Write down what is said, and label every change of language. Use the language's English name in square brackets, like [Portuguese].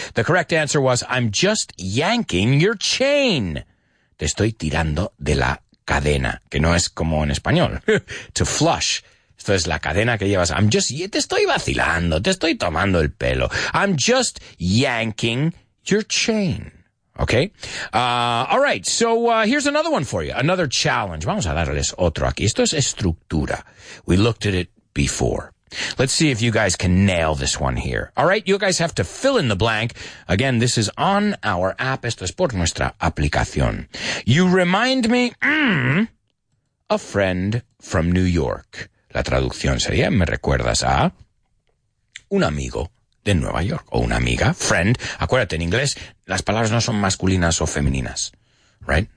[English] The correct answer was, I'm just yanking your chain. [Spanish] Te estoy tirando de la cadena, que no es como en español. [English] To flush. [Spanish] Esto es la cadena que llevas. Te estoy vacilando. Te estoy tomando el pelo. [English] I'm just yanking your chain. Okay. All right. So, here's another one for you. Another challenge. [Spanish] Vamos a darles otro aquí. Esto es estructura. [English] We looked at it before. Let's see if you guys can nail this one here. All right. You guys have to fill in the blank. Again, this is on our app. [Spanish] Esto es por nuestra aplicación. [English] You remind me, a friend from New York. [Spanish] La traducción sería, me recuerdas a un amigo de Nueva York, o una amiga, friend. Acuérdate, en inglés, las palabras no son masculinas o femeninas, right?